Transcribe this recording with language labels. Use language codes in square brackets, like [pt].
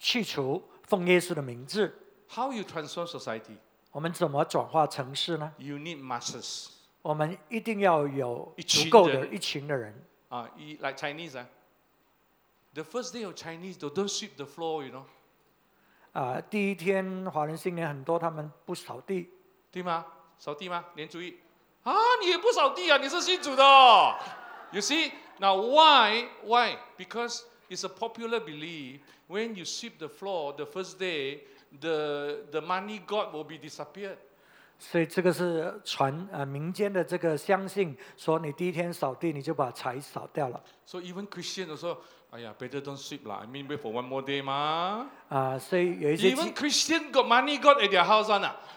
[zh] 当你的思念里面有这种不可能的事情的思想，那么呢，你就要把它去除，奉耶稣的名字。 [en] How you transform society? [zh] 我们怎么转化城市呢？ [en] You need masses. [zh] 我们一定要有足够的一群的人。 [en] Like Chinese. The first day of Chinese, they don't sweep the floor, you know. [zh] 第一天华人新年很多，他们不扫地，对吗？扫地吗？连注意啊，你也不扫地啊，你是新主的。 [en] You see now why? Because it's a popular belief. When you sweep the floor the first day, the money god will be disappeared. [zh] 所以这个是传民间的这个相信，说你第一天扫地，你就把财扫掉了。 [en] So even Christians also. Aiyah, better don't sweep lah. I mean, wait for one more day, ma. Even Christian got money got at their house, ana.